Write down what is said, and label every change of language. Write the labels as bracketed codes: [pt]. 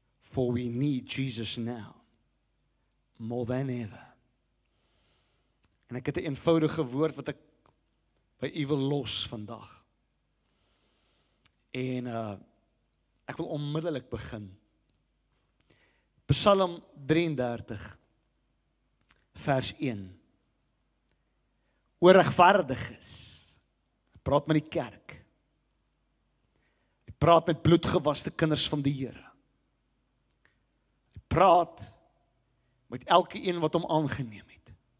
[en] For we need Jesus now more than ever. [af] En ek het 'n eenvoudige woord wat ek by u wil los vandag. En ek wil onmiddellik begin Psalm 33 vers 1. Oor regverdiges. Praat met die kerk. Hy praat met bloedgewaste kinders van die Here. Hy praat met elke een wat hom aangeneem het.